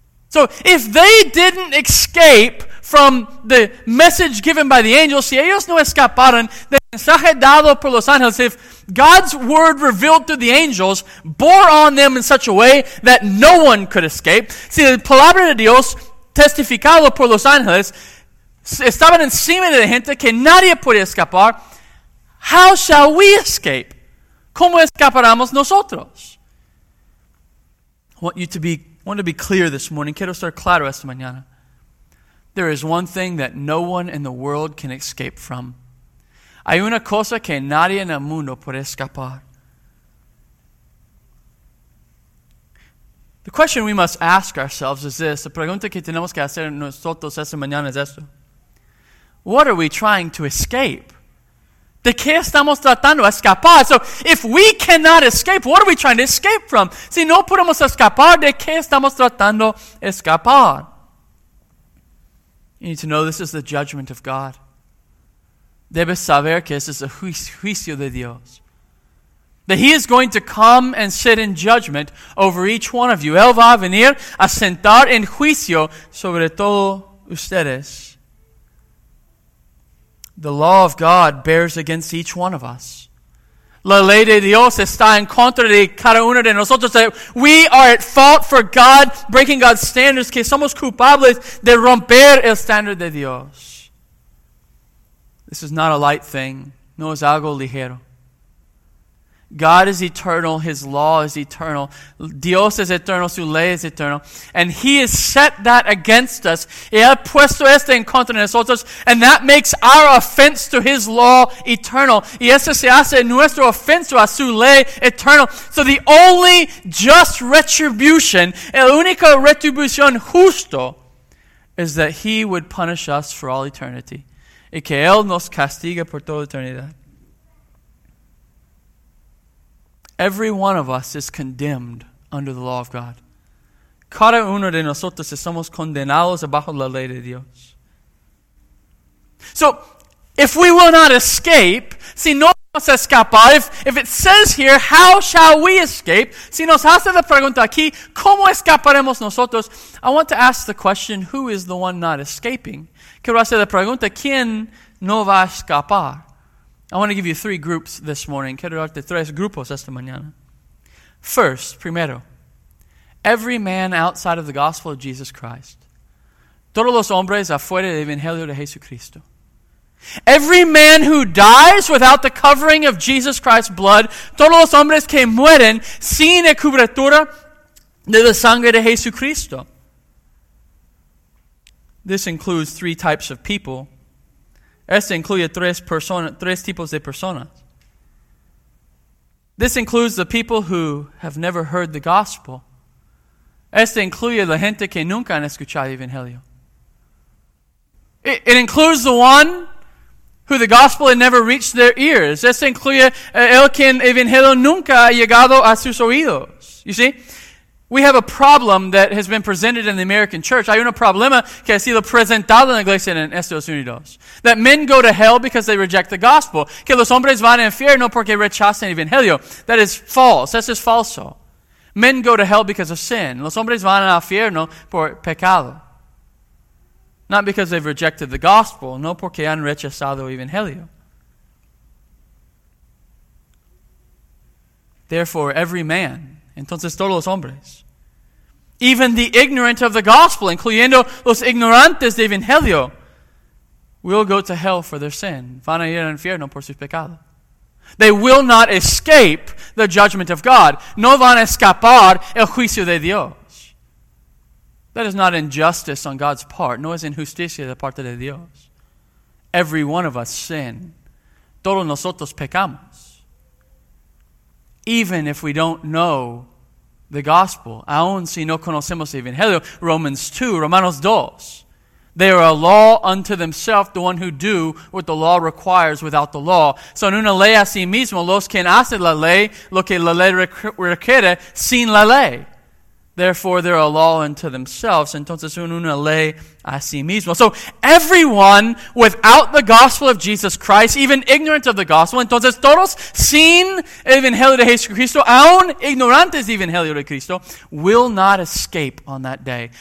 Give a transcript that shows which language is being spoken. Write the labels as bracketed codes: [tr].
[en] So if they didn't escape from the message given by the angels, [es] si ellos no escaparon del mensaje dado por los ángeles, [en] if God's word revealed through the angels bore on them in such a way that no one could escape, [es] si la palabra de Dios testificado por los ángeles estaba encima de la gente que nadie podía escapar, [en] how shall we escape? [es] ¿Cómo escaparamos nosotros? [en] I want to be clear this morning. [es] Quiero estar claro esta mañana. [en] There is one thing that no one in the world can escape from. [es] Hay una cosa que nadie en el mundo puede escapar. [en] The question we must ask ourselves is this. [es] La pregunta que tenemos que hacer nosotros esta mañana es esto. [en] What are we trying to escape? [es] ¿De qué estamos tratando de escapar? [en] So, if we cannot escape, what are we trying to escape from? [es] Si no podemos escapar, ¿de qué estamos tratando de escapar? [en] You need to know this is the judgment of God. [es] Debes saber que este es el juicio de Dios. [en] That He is going to come and sit in judgment over each one of you. [es] Él va a venir a sentar en juicio sobre todos ustedes. [en] The law of God bears against each one of us. [es] La ley de Dios está en contra de cada uno de nosotros. [en] We are at fault for God breaking God's standards. [es] Que somos culpables de romper el standard de Dios. [en] This is not a light thing. [es] No es algo ligero. [en] God is eternal. His law is eternal. [es] Dios es eterno. Su ley es eternal. [en] And He has set that against us. [es] Y ha puesto este en contra de nosotros. [en] And that makes our offense to His law eternal. [es] Y esto se hace nuestro ofenso a su ley eternal. [en] So the only just retribution, [es] el único retribución justo, [en] is that He would punish us for all eternity. [es] Y que Él nos castiga por toda eternidad. [en] Every one of us is condemned under the law of God. [es] Cada uno de nosotros estamos condenados bajo la ley de Dios. [en] So, if we will not escape, [es] si no vamos a escapar, [en] if it says here, how shall we escape? [es] Si nos hace la pregunta aquí, ¿cómo escaparemos nosotros? [en] I want to ask the question, who is the one not escaping? [es] Quiero hacer la pregunta, ¿quién no va a escapar? [en] I want to give you three groups this morning. [es] Quiero darte tres grupos esta mañana. [en] First, primero, every man outside of the gospel of Jesus Christ. [es] Todos los hombres afuera del Evangelio de Jesucristo. [en] Every man who dies without the covering of Jesus Christ's blood. [es] Todos los hombres que mueren sin la cobertura de la sangre de Jesucristo. [en] This includes three types of people. [es] Este incluye tres tipos de personas. [en] This includes the people who have never heard the gospel. [es] Este incluye la gente que nunca han escuchado el Evangelio. [en] It includes the one who the gospel had never reached their ears. [es] Este incluye el que el Evangelio nunca ha llegado a sus oídos. [en] You see? We have a problem that has been presented in the American church. [es] Hay un problema que ha sido presentado en la iglesia en Estados Unidos. [en] That men go to hell because they reject the gospel. [es] Que los hombres van al infierno porque rechazan el Evangelio. [en] That is false. [es] Eso es falso. [en] Men go to hell because of sin. [es] Los hombres van al infierno por pecado. [en] Not because they've rejected the gospel. [es] No porque han rechazado el Evangelio. [en] Therefore, every man. [es] Entonces, todos los hombres. [en] Even the ignorant of the gospel, [es] incluyendo los ignorantes de Evangelio, [en] will go to hell for their sin. [es] Van a ir al infierno por sus pecados. [en] They will not escape the judgment of God. [es] No van a escapar el juicio de Dios. [en] That is not injustice on God's part. [es] No es injusticia de parte de Dios. [en] Every one of us sin. [es] Todos nosotros pecamos. [en] Even if we don't know the gospel, [es] aun si no conocemos el Evangelio, [en] Romans 2, Romanos 2. They are a law unto themselves, the one who do what the law requires without the law. [es] Son una ley a sí mismo, los que hacen la ley, lo que la ley requiere, sin la ley. [en] Therefore, they're a law unto themselves. [es] Entonces, son una ley a sí mismo. [en] So, everyone without the gospel of Jesus Christ, even ignorant of the gospel, [es] entonces, todos sin el Evangelio de Jesucristo, aun ignorantes del Evangelio de Cristo, [en] will not escape on that day.